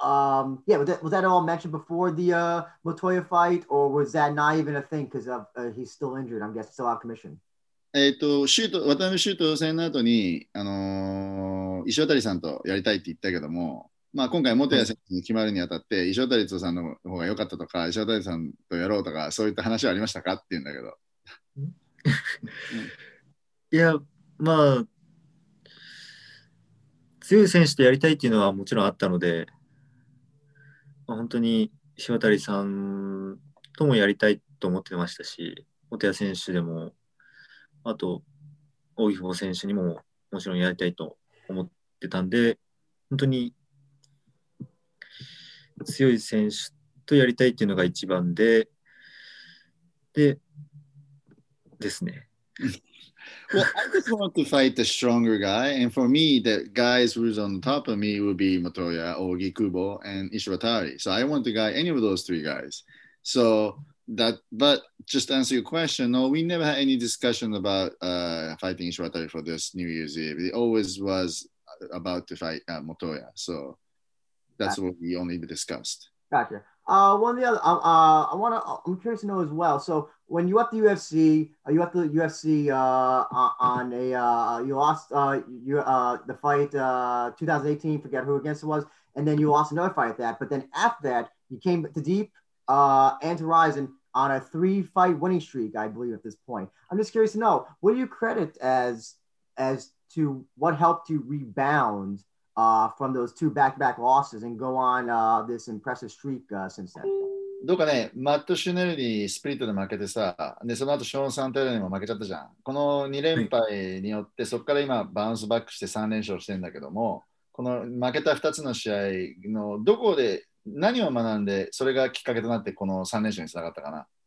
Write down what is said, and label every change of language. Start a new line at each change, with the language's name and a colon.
English: Was that at all mentioned before the Montoya fight, or was that not even a thing because of he's still injured? I'm guessing still out of commission.
Japanese: Shuto 戦の後に石渡さんとやりたいって言ったけども、まあ今回Montoya選手に決まるにあたって石渡さんの方が良かったとか石渡さんとやろうとかそういった話はありましたかって言うんだけど。いや、まあ強い選手とやりたいっていうのはもちろんあったので、まあ、本当に石渡さんともやりたいと思ってましたし、本谷選手でも、あと、大井峰選手にももちろんやりたいと思ってたんで、本当に強い選手とやりたいっていうのが一番で、で、ですね。
English: Well, I just want to fight the stronger guy. And for me, the guys who's on the top of me would be Montoya, Ogi, Kubo, and Ishiwatari. So I want the guy, any of those three guys. So that, but just to answer your question, no, we never had any discussion about fighting Ishiwatari for this New Year's Eve. It always was about to fight Montoya. So that's gotcha. What we only discussed. Gotcha. I'm curious to know as well. So when you at the UFC, you lost the fight 2018. Forget who against it was, and then you lost another fight at that. But then after that, you came to Deep and to Ryzen on a 3-fight winning streak, I believe at this point. I'm just curious to know what do you credit as to what helped you rebound from those 2 back-to-back losses and go on this impressive streak since then.
Japanese: どうかね、マット・シュネルにスプリットで負けてさ、でその後ショーン・サンタルにも負けちゃったじゃん。この2連敗によって、そこから今バウンスバックして3連勝してんだけども、この負けた2つの試合のどこで何を学んで、それがきっかけとなってこの3連勝につながったかな。